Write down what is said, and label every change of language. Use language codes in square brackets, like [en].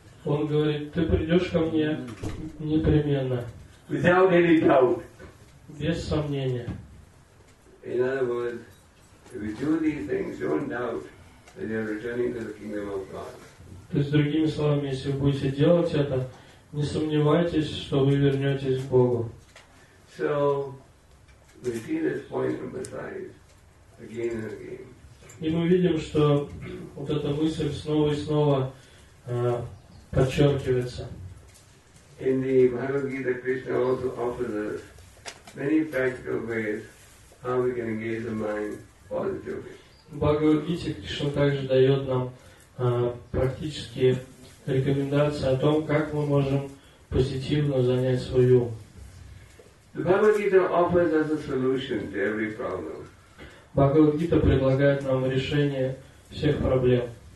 [ru] Он говорит, ты придешь ко мне непременно. [en] Without any doubt. [ru] Без сомнения. [en] In other words, if you do these things, don't doubt that you are returning to the kingdom of God. [ru] То есть, другими словами, если вы будете делать это, не сомневайтесь, что вы вернетесь к Богу. [en] So, we see this point from the side, again and again. [ru] И мы видим, что вот эта мысль снова и снова подчеркивается. [en] In the Bhagavad Gita, Krishna also offers us many practical ways how we can engage the mind [ru] Бхагавад-гита Кришна также дает нам практические рекомендации о том, как мы можем позитивно занять свой ум. Бхагавад-гита предлагает нам решение всех проблем.